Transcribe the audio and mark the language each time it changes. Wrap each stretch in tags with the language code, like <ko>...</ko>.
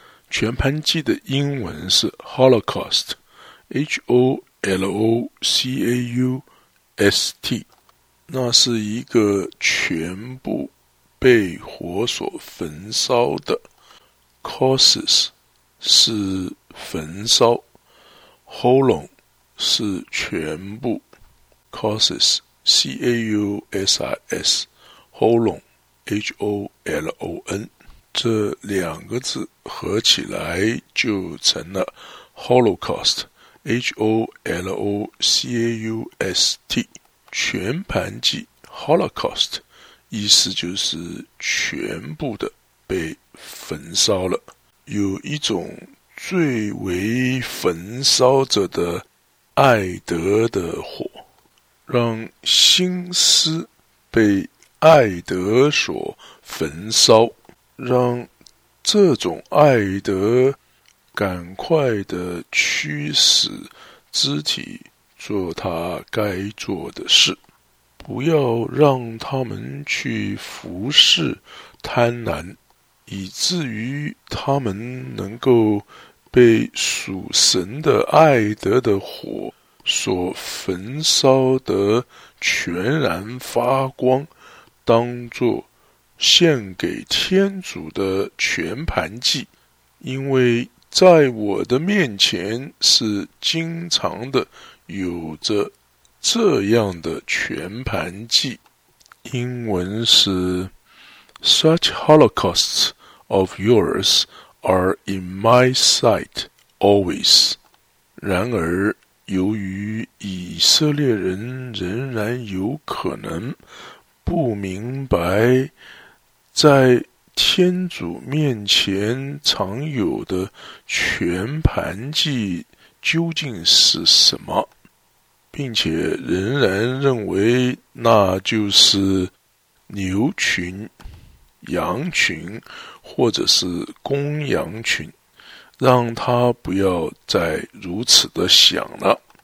<zh>全盘祭的英文是 Holocaust， H-O-L-O-C-A-U-S-T， 那是一个全部被火所焚烧的。 Causes 是焚烧， Holon 是全部。 Causes C-A-U-S-I-S Holon H-O-L-O-N， 这两个字合起来就成了 Holocaust H-O-L-O-C-A-U-S-T， 全盘祭 Holocaust 意思就是全部的被焚烧了。有一种最为焚烧着的爱德的火，让心思被爱德所焚烧，让这种爱德赶快的驱使肢体做他该做的事，不要让他们去服侍贪婪，以至于他们能够被属神的爱德的火所焚烧得全然发光，当作献给天主的全盘祭，因为在我的面前是经常的有着这样的全盘祭。英文是</zh> <en>Such holocausts of yours are in my sight always.</en> <zh>然而由于以色列人仍然有可能不明白在天主面前常有的全盘祭究竟是什么，并且仍然认为那就是牛群、羊群或者是公羊群，让他不要再如此的想了。</zh>